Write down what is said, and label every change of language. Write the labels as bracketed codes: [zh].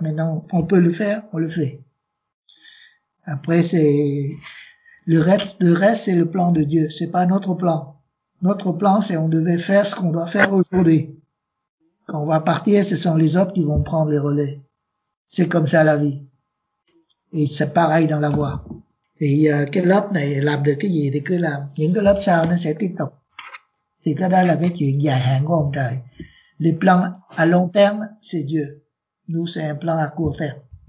[fr] Maintenant, on peut le faire, on le fait. Après, c'est le reste, c'est le plan de Dieu. C'est pas notre plan. Notre plan, c'est on devait faire ce qu'on doit faire aujourd'hui. Quand on va partir, ce sont les autres qui vont prendre les relais. C'est comme ça la vie. Et c'est pareil dans la voie. [vi] Thì cái lớp này làm được cái gì thì cứ làm, những cái lớp sau nó sẽ tiếp tục. Thì cái đó là cái chuyện dài hạn của ông trời. [fr] Le plan à long terme, c'est Dieu. Nous, c'est un plan à court terme.